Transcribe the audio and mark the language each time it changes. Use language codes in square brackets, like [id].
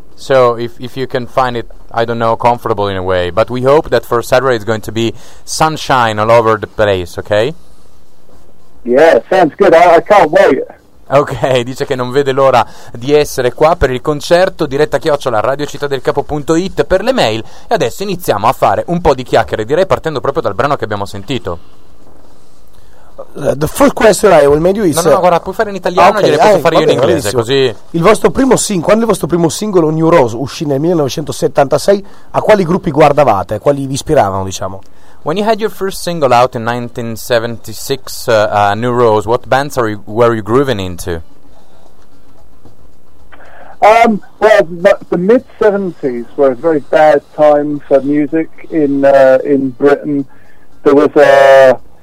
[en] So if you can find it, I don't know, comfortable in a way. But we hope that for Saturday it's going to be sunshine all over the place, okay? Yeah, sounds good. I can't wait. [it] Ok, dice che non vede l'ora di essere qua per il concerto. Diretta chiocciola radiocittadelcapo.it per le mail. E adesso iniziamo a fare un po' di chiacchiere, direi partendo proprio dal brano che abbiamo sentito. [en] The first question I will make you is... [it] No, guarda, puoi fare in italiano, okay, e posso fare io in inglese, bellissimo. Così... Quando il vostro primo singolo New Rose uscì nel 1976, a quali gruppi guardavate? Quali vi ispiravano, diciamo? [en] When you had your first single out in 1976, New Rose, what bands were you grooving into? The mid-70s were a very bad time for music in Britain. There was a...